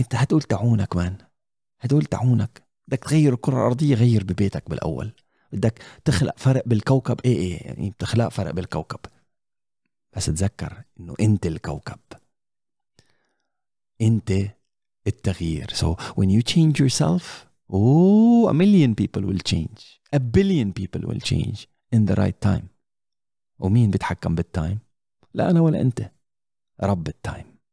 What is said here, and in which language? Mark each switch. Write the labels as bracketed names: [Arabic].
[Arabic] انت هتقول تعونك مان، هتقول تعونك. بدك تغير الكرة الأرضية، غير ببيتك بالأول. بدك تخلق فرق بالكوكب، ايه يعني بتخلق فرق بالكوكب، بس تذكر انه انت الكوكب، انت التغيير. [English] So when you change yourself, a million people will change. A billion people will change in the right time. [Arabic] ومين بيتحكم بالتايم؟ لا أنا ولا أنت، رب التايم.